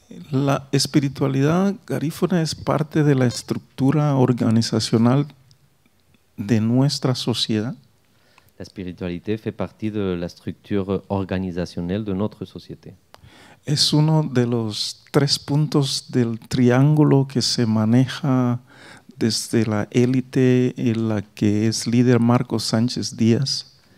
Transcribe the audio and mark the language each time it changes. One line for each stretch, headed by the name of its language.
Spanish: La espiritualidad garífuna es parte de la estructura organizacional de nuestra sociedad.
French: La spiritualité fait partie de la structure organisationnelle de notre société.
Spanish: Es uno de los tres puntos del triángulo que se maneja desde la élite y la que es líder Marcos Sánchez Díaz.